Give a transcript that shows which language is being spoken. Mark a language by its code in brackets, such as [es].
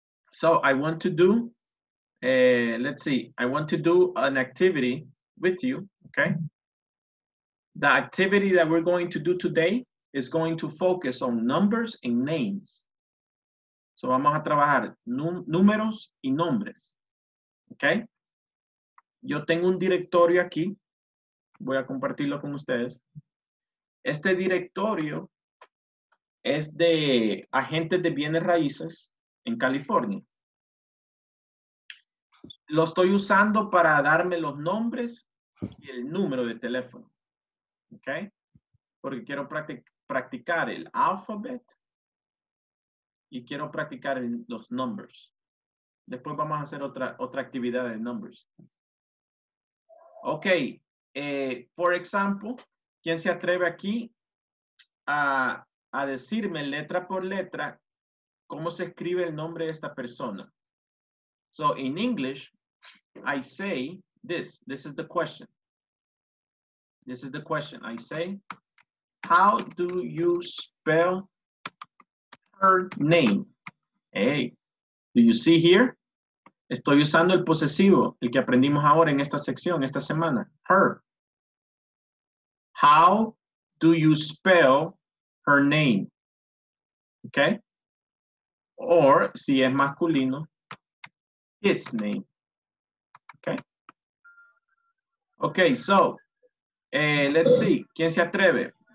[en] So, I want to do, let's see, I want to do an activity with you, okay? The activity that we're going to do today is going to focus on numbers and names. [es] So vamos a trabajar números y nombres, okay? Yo tengo un directorio aquí. Voy a compartirlo con ustedes. Este directorio es de agentes de bienes raíces en California. Lo estoy usando para darme los nombres y el número de teléfono, ¿ok? Porque quiero practicar el alphabet y quiero practicar los numbers. Después vamos a hacer otra actividad de numbers. Ok, [en] for example, [es] ¿quién se atreve aquí a decirme letra por letra cómo se escribe el nombre de esta persona? [en] So, in English, I say this is the question. This is the question. I say, how do you spell her name? Hey, do you see here? [es] Estoy usando el posesivo, el que aprendimos ahora en esta sección, esta semana. [en] Her. How do you spell her name? Okay? Or, [es] si es masculino, [en] his name. Okay? Okay, so... let's see. [es] ¿Quién se atreve?